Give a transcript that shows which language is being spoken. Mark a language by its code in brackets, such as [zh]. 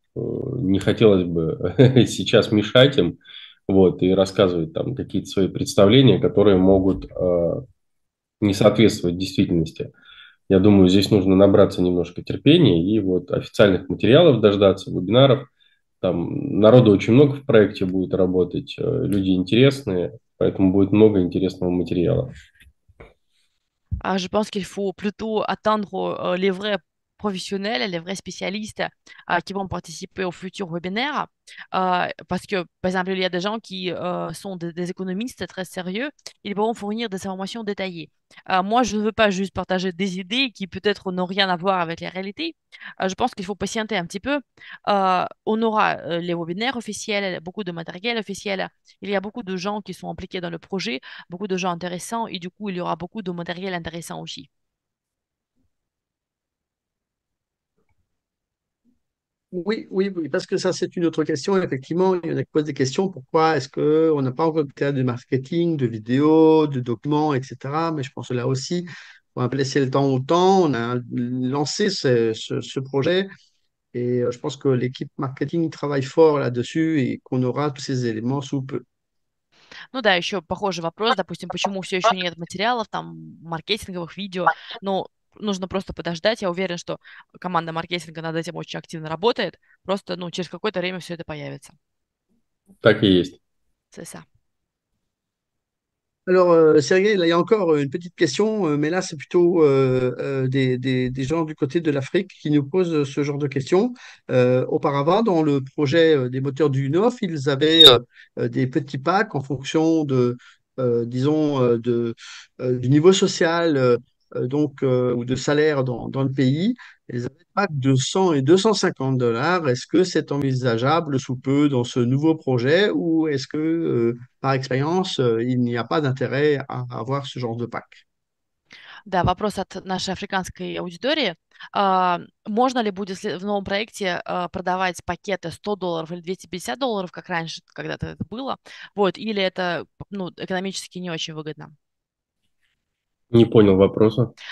[ru] Не хотелось бы сейчас мешать им, вот, и рассказывать там какие-то свои представления, которые могут не соответствовать действительности. Я думаю, здесь нужно набраться немножко терпения и вот официальных материалов дождаться, вебинаров. Там народу очень много в проекте будет работать, люди интересные, поэтому будет много интересного материала. [fr] Je pense qu'il faut plutôt attendre les vrais professionnels, les vrais spécialistes qui vont participer au futur webinaire. Parce que, par exemple, il y a des gens qui sont des économistes très sérieux, ils vont fournir des informations détaillées. Moi, je ne veux pas juste partager des idées qui peut-être n'ont rien à voir avec la réalité. Je pense qu'il faut patienter un petit peu. On aura les webinaires officiels, beaucoup de matériel officiel. Il y a beaucoup de gens qui sont impliqués dans le projet, beaucoup de gens intéressants, et du coup, il y aura beaucoup de matériel intéressant aussi. Oui, parce que ça, c'est une autre question. Effectivement, il y en a qui posent des questions. Pourquoi est-ce qu'on n'a pas encore créé de marketing, de vidéos, de documents, etc. Mais je pense que là aussi, on a laissé le temps au temps. On a lancé ce projet. Et je pense que l'équipe marketing travaille fort là-dessus et qu'on aura tous ces éléments sous peu. [ru] Ну да, еще похожий вопрос, допустим, почему все еще нет материалов, там, маркетинговых видео, но нужно просто подождать, я уверен, что команда маркетинга над этим очень активно работает, просто, ну, через какое-то время все это появится. Так и есть. [fr] C'est ça. Alors, Sergei, là, il y a encore une petite question, mais là, c'est plutôt des gens du côté de l'Afrique qui nous posent ce genre de questions. Auparavant, dans le projet des moteurs du UNOF, ils avaient des petits packs en fonction de, disons, du niveau social ou de salaire dans le pays. Ils avaient des packs de 100 et $250. Est-ce que c'est envisageable sous peu dans ce nouveau projet ou est-ce que, par expérience, il n'y a pas d'intérêt à avoir ce genre de pack? [ru] Да, вопрос от нашей африканской аудитории. Можно ли будет в новом проекте продавать пакеты $100 или $250, как раньше, когда-то это было? Вот, или это, ну, экономически не очень выгодно? Не понял вопроса.